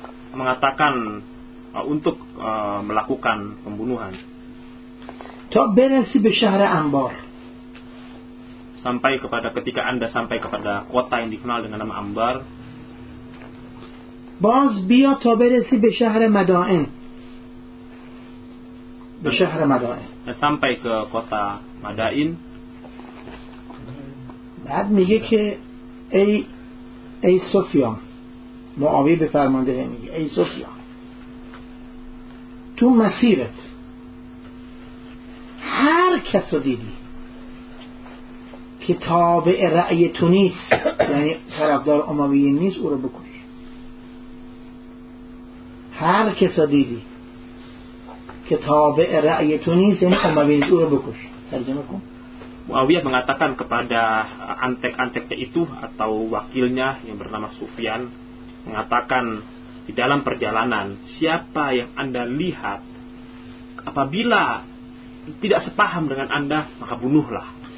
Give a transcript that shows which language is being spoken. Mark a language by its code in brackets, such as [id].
[id] Mengatakan untuk melakukan pembunuhan. [fa] تا برسی به شهر انبار، [id] sampai kepada ketika Anda sampai kepada kota yang dikenal dengan nama Ambar. [fa] باز بیا تا برسی به شهر مدائن، به شهر مدائن، [id] sampai ke kota Madain. [fa] بعد میگه که ای سفیان، معاویه به فرمانده میگه ای سفیان تو مسیرت هر کس رو دیدی که تابع رأی تو نیست یعنی طرفدار امویه نیست او رو بکش. هر کس رو دیدی که تابع رأی تو نیست یعنی امویه نیست او رو بکش. ترجمه کن. [id] Muawiyah mengatakan kepada antek-anteknya itu atau wakilnya yang bernama Sufyan, mengatakan di dalam perjalanan siapa yang Anda lihat apabila tidak sepaham dengan Anda, maka bunuhlah.